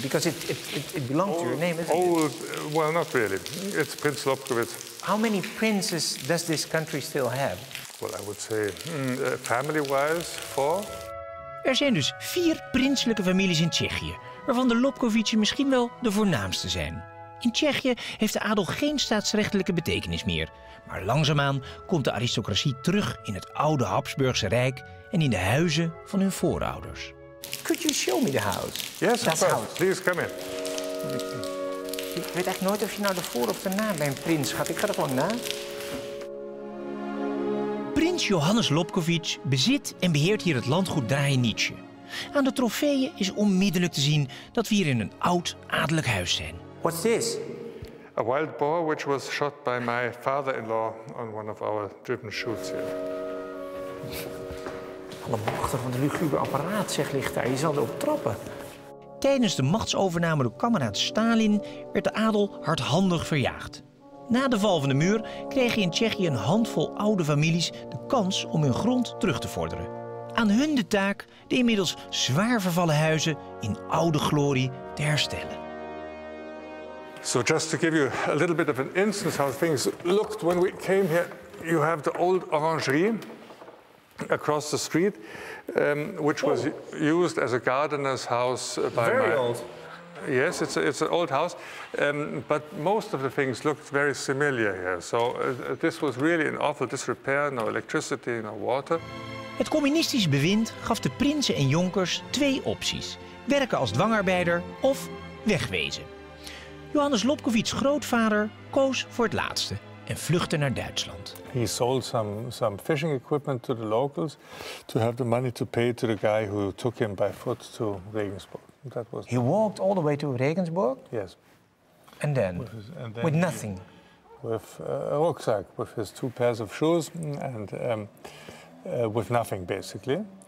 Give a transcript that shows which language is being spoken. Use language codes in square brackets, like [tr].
[en] Because it belongs to your name, isn't it? Well, not really. It's Prince Lobkowitz. How many princes does this country still have? Well, I would say family-wise, 4. [nl] Er zijn dus 4 prinselijke families in Tsjechië, waarvan de Lobkowitzen misschien wel de voornaamste zijn. In Tsjechië heeft de adel geen staatsrechtelijke betekenis meer. Maar langzaamaan komt de aristocratie terug in het oude Habsburgse Rijk en in de huizen van hun voorouders. [en] Could you show me the house? Yes, of course. Please come in. [nl] Ik weet echt nooit of je nou de voor of de na bij een prins gaat. Ik ga er gewoon na. Prins Johannes Lobkowitz bezit en beheert hier het landgoed Draienice. Aan de trofeeën is onmiddellijk te zien dat we hier in een oud adellijk huis zijn. [en] What's this? A wild boar which was shot by my father-in-law on one of our driven shoots here. [nl] Alle machten van de lugubre apparaat, zeg, ligt daar. Je zal erop trappen. Tijdens de machtsovername door kameraad Stalin werd de adel hardhandig verjaagd. Na de val van de muur kregen in Tsjechië een handvol oude families de kans om hun grond terug te vorderen. Aan hun de taak de inmiddels zwaar vervallen huizen in oude glorie te herstellen. [en] So just to give you a little bit of an instance how things looked when we came here, you have the old orangerie across the street, which was used as a gardener's house by very my... Very old. Yes, it's an old house, but most of the things looked very similar here. So this was really an awful disrepair, no electricity, no water. [nl] Het communistisch bewind gaf de prinsen en jonkers 2 opties. Werken als dwangarbeider of wegwezen. Johannes Lobkowitz' grootvader koos voor het laatste en vluchtte naar Duitsland. [en] He sold some fishing equipment to the locals to have the money to pay to the guy who took him by foot to Regensburg. That was he walked all the way to Regensburg? Yes. And then with nothing. With a rucksack, with his 2 pairs of shoes and with nothing basically.